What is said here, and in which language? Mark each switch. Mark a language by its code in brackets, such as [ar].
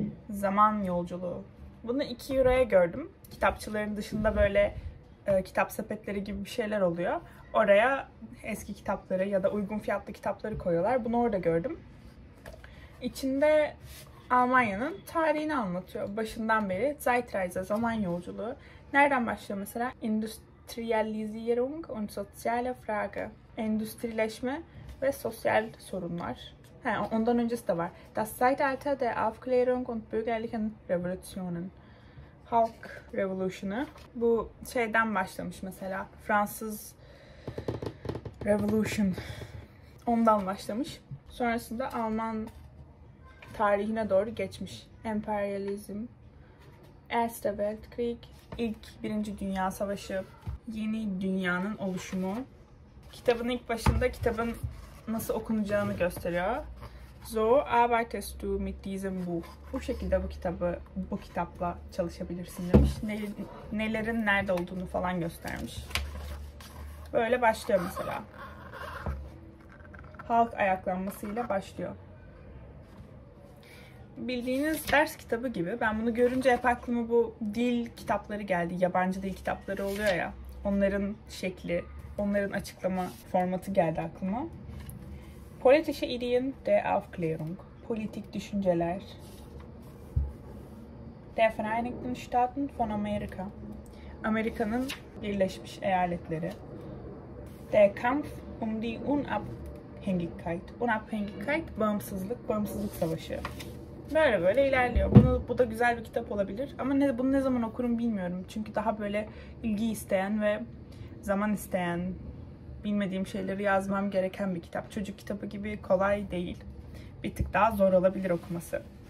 [tr] Zaman yolculuğu. Bunu 2 euroya gördüm. Kitapçıların dışında böyle kitap sepetleri gibi bir şeyler oluyor. Oraya eski kitapları ya da uygun fiyatlı kitapları koyuyorlar. Bunu orada gördüm. İçinde Almanya'nın tarihini anlatıyor. Başından beri Zeitreise, zaman yolculuğu. Nereden başlıyor mesela? [de] Industrialisierung und soziale Frage. [tr] Endüstrileşme ve sosyal sorunlar. Ha, ondan öncesi de var. [de] Das Zeitalter der Aufklärung und bürgerlichen Revolutionen. [tr] Halk Revolution'ı. Bu şeyden başlamış mesela. Fransız Revolution. Ondan başlamış. Sonrasında Alman tarihine doğru geçmiş. Emperyalizm, [de] Erster Weltkrieg, [tr] ilk Birinci Dünya Savaşı, yeni dünyanın oluşumu. Kitabın ilk başında kitabın nasıl okunacağını gösteriyor. [de] So arbeitest du mit diesem Buch. [tr] Bu şekilde bu kitapla çalışabilirsin demiş. Nelerin nerede olduğunu falan göstermiş. Böyle başlıyor mesela. Halk ayaklanmasıyla başlıyor. Bildiğiniz ders kitabı gibi. Ben bunu görünce hep aklıma bu dil kitapları geldi. Yabancı dil kitapları oluyor ya. Onların şekli, onların açıklama formatı geldi aklıma. [de] Politische Ideen der Aufklärung. [tr] Politik düşünceler. [de] Der Vereinigten Staaten von Amerika. [tr] Amerika'nın Birleşmiş Eyaletleri. [de] Der Kampf um die Unabhängigkeit. [tr] Unabhängigkeit, bağımsızlık, bağımsızlık savaşı. Böyle böyle ilerliyor. Bu da güzel bir kitap olabilir. Ama bunu ne zaman okurum bilmiyorum. Çünkü daha böyle ilgi isteyen ve zaman isteyen, bilmediğim şeyleri yazmam gereken bir kitap. Çocuk kitabı gibi kolay değil. Bir tık daha zor olabilir okuması.